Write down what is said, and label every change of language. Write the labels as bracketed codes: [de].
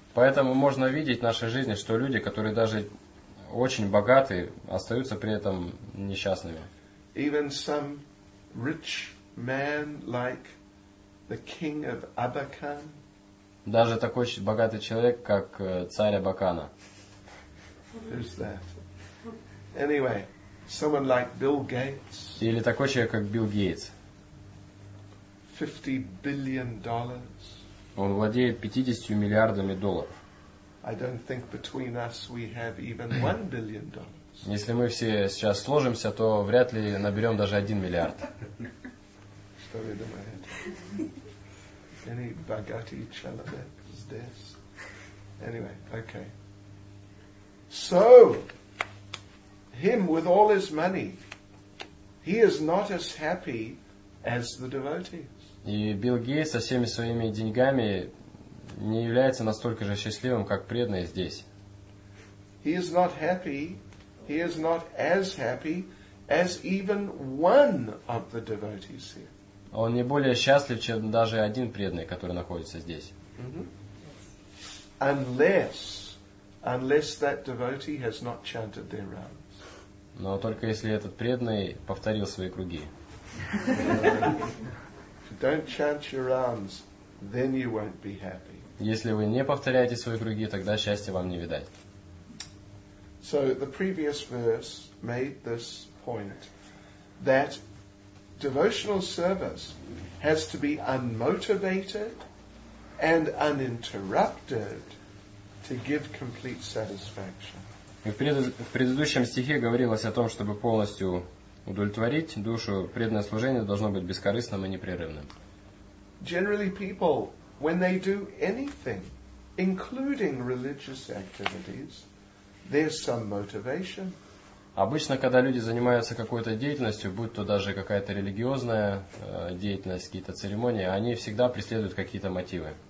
[ru] Поэтому можно видеть в нашей жизни, что люди, которые даже очень богаты, остаются при этом несчастными. [en] Even some rich man like the king of Abakan. [ru] Даже такой богатый человек, как царь Абакана. [en] Who's that? Anyway, someone like Bill Gates. [ru] Или такой человек, как Билл Гейтс. [en] $50 billion. [ru] Он владеет 50 миллиардами долларов. [en] I don't think between us we have even $1 billion. [ru] Если мы все сейчас сложимся, то вряд ли наберем даже 1 миллиард. Что вы думаете? [en] Any [ru] богатый человек здесь? [en] Anyway, okay. So, him with all his money, he is not as happy as the devotees. [ru] И Билл Гейтс со всеми своими деньгами не является настолько же счастливым, как преданные здесь. [en] He is not happy. He is not as happy as even one of the devotees here. [ru] Он не более счастлив, чем даже один преданный, который находится здесь. Mm-hmm. [en] Unless that devotee has not chanted their rounds. [ru] Но только если этот преданный повторил свои круги. [en] Don't chant your rounds, then you won't be happy. [ru] Если вы не повторяете свои круги, тогда счастья вам не видать. [en] So the previous verse made this point that devotional service has to be unmotivated and uninterrupted to give complete satisfaction. [ru] В предыдущем стихе говорилось о том, чтобы полностью удовлетворить душу, преданное служение должно быть бескорыстным и непрерывным. [en] Generally, people, when they do anything, including religious activities, there's some motivation. [ru] Обычно, когда люди занимаются какой-то деятельностью, будь то даже какая-то религиозная деятельность, какие-то церемонии, они всегда преследуют какие-то мотивы.